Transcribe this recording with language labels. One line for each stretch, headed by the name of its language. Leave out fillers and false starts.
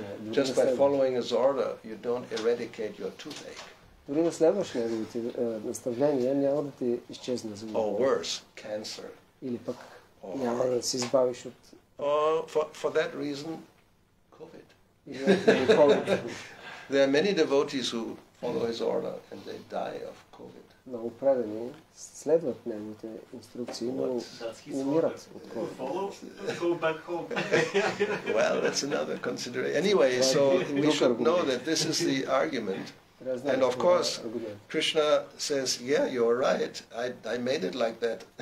English: Just by following his order, you don't eradicate your toothache.
Bulgarian: Дори на следващо неговите наставления няма да ти изчезне зъбовото.
English: Or worse, cancer.
Bulgarian: Или пък няма да се избавиш от...
English: For that reason, COVID. There are many devotees who follow his order and they die of COVID.
Bulgarian: Много предани следват неговите инструкции, но умират от COVID.
English: Follow, go back home. Well, that's another consideration. Anyway, so we should know that this is the argument. And of course, Krishna says, yeah, you're right, I made it like that.